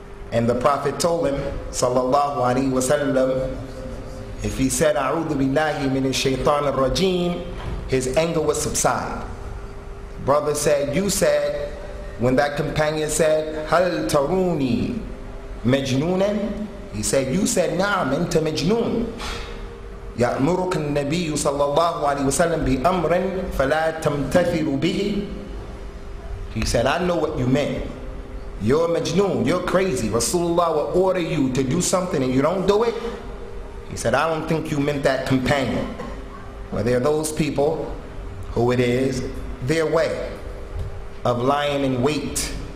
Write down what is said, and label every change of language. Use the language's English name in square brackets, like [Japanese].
[English] And the Prophet told him, sallallahu alayhi wa sallam, if he said, [Arabic] "A'udhu billahi min ash-shaytan ar-rajim," [English] his anger would subside. Brother said, "You said, when that companion said, [Arabic] 'Hal taruni Majnoonan?' [English] He said, 'You said, [Arabic] na'am, anta Majnoon. يأمرك النبي صلى الله عليه وسلم بأمر فلا تمتثل به.'" [English] He said, "I know what you meant. You're Majnoon, you're crazy. Rasulullah will order you to do something and you don't do it." He said, "I don't think you meant that companion." Well, there are those people who it is their way of lying in wait.